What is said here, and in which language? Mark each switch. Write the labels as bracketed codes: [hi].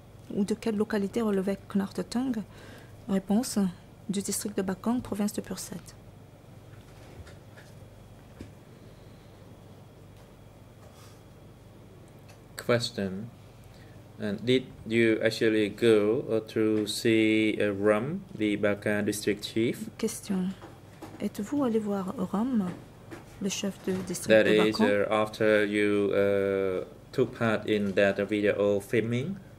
[fr] Ou de quelle localité relevait Knar Totung? Réponse, du district de Bakang, province de Purset. Question. [en] And did you actually go to see Rum, the Bakan district chief? [fr] Question. Êtes-vous allé voir Rome, le chef de district [en] that [fr] de Bakan? [en] That is, after you took part in that video filming.